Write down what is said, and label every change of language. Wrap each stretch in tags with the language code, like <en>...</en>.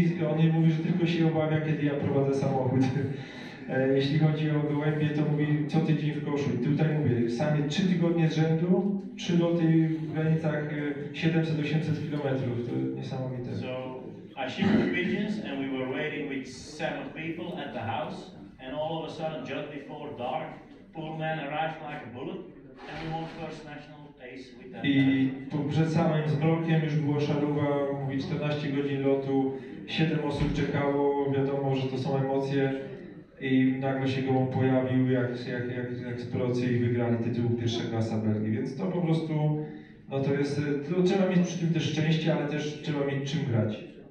<pl>On mówi, że tylko się obawia, kiedy ja prowadzę samochód. Jeśli chodzi o gołębie, to mówi co tydzień w koszu. I tutaj mówię, sami 3 tygodnie z rzędu, 3 loty w granicach 700-800 km. To niesamowite.</pl> <en>So, I shipped the pigeons and we were waiting with 7 people at the house. And all of a sudden, just before dark, Pullman arrived like a bullet. And we won first national.</en> <pl>I przed samym zmrokiem już była szaruwa, mówi 14 godzin lotu, 7 osób czekało, wiadomo, że to są emocje i nagle się go pojawił jak z procy i wygrali tytuł pierwszego asa Belgii, więc to po prostu, no to jest, to trzeba mieć przy tym też szczęście, ale też trzeba mieć czym grać.</pl>